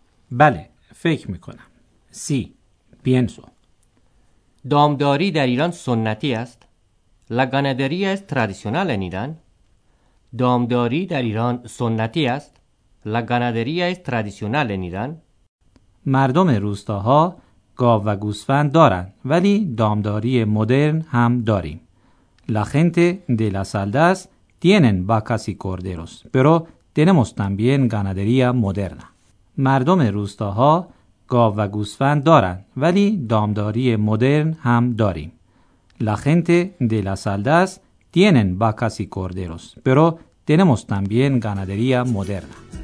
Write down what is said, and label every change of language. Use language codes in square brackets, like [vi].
[fa] بله، فکر میکنم. [es] Sí, pienso. [fa] دامداری در ایران سنتی است؟ [es] La ganadería es tradicional en Irán. [fa] دامداری در ایران سنتی است؟ [es] La ganadería es tradicional en Irán. [fa] مردم روستاها گاو و گوسفند دارند ولی دامداری مدرن هم داریم. [es] La gente de las aldeas tienen vacas y corderos, pero tenemos también ganadería moderna. [fa] مردم روستاها گاو و گوسفند دارند ولی دامداری مدرن هم داریم. [es] La gente de las aldeas tienen vacas y corderos, pero tenemos también ganadería moderna.